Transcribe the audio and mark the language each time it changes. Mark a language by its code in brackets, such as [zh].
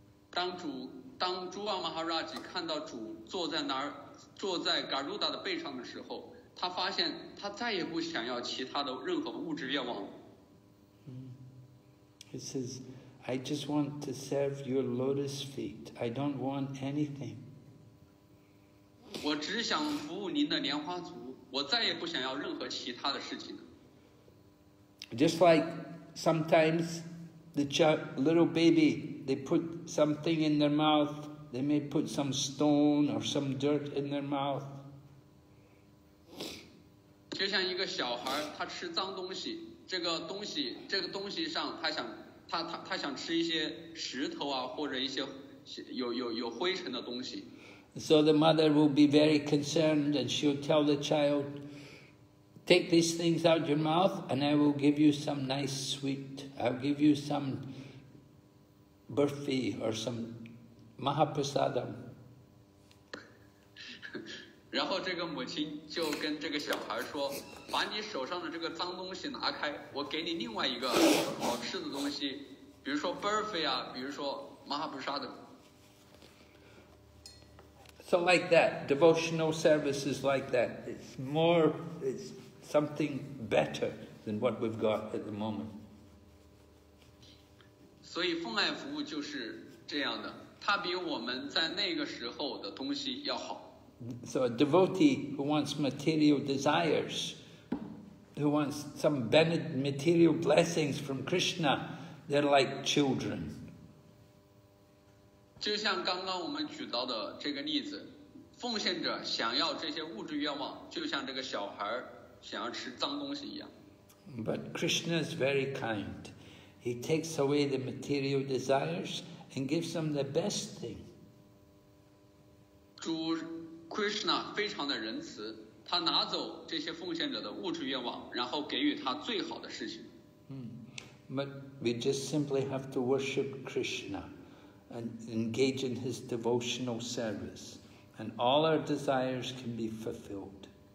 [zh] 当 Dhruva Maharaj 看到主坐在哪儿，坐在 Garuda 的背上的时候，他发现他再也不想要其他的任何物质愿望。 [en] He says, I just want to serve your lotus feet. I don't want anything. [zh] 我只想服务您的莲花足，我再也不想要任何其他的事情。 [en] Just like sometimes the little baby, they put something in their mouth. They may put some stone or some dirt in their mouth. [zh] 就像一个小孩，他吃脏东西，这个东西上他想吃一些石头啊，或者一些有灰尘的东西。 [en] So the mother will be very concerned, and she'll tell the child, "Take these things out your mouth, and I will give you some nice sweet. I'll give you some burfi or some mahaprasadam." [zh] 然后这个母亲就跟这个小孩说，把你手上的这个脏东西拿开，我给你另外一个好吃的东西，比如说 burfi 啊，比如说 mahaprasadam。 [en] So like that, devotional service is like that. It's more, it's something better than what we've got at the moment. [zh] 所以奉爱服务就是这样的，它比我们在那个时候的东西要好。 [en] So a devotee who wants material desires, who wants some material blessings from Krishna, they're like children. [zh] 就像刚刚我们举到的这个例子，奉献者想要这些物质愿望，就像这个小孩想要吃脏东西一样。 [en] But Krishna is very kind. He takes away the material desires and gives them the best thing. [zh] 主 Krishna 非常的仁慈，他拿走这些奉献者的物质愿望，然后给予他最好的事情。 [en] But we just simply have to worship Krishna and engage in his devotional service, and all our desires can be fulfilled.